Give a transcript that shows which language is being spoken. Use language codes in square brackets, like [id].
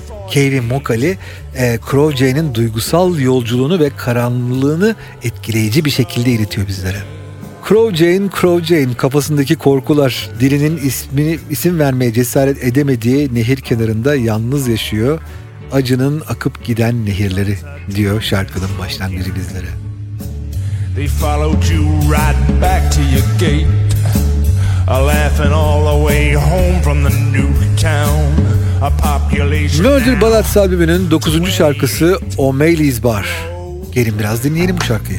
[tr] Kevin Mokali, Crow Jane'in duygusal yolculuğunu ve karanlığını etkileyici bir şekilde iletiyor bizlere. Crow Jane, Crow Jane, kafasındaki korkular, dilinin ismini isim vermeye cesaret edemediği nehir kenarında yalnız yaşıyor, acının akıp giden nehirleri, diyor şarkının başlangıcı bizlere. [en] They followed you right back to your gate, laughing all the way home from the new town. [tr] Murder Ballads albümünün 9. şarkısı O'Malley's Bar. Gelin biraz dinleyelim bu şarkıyı.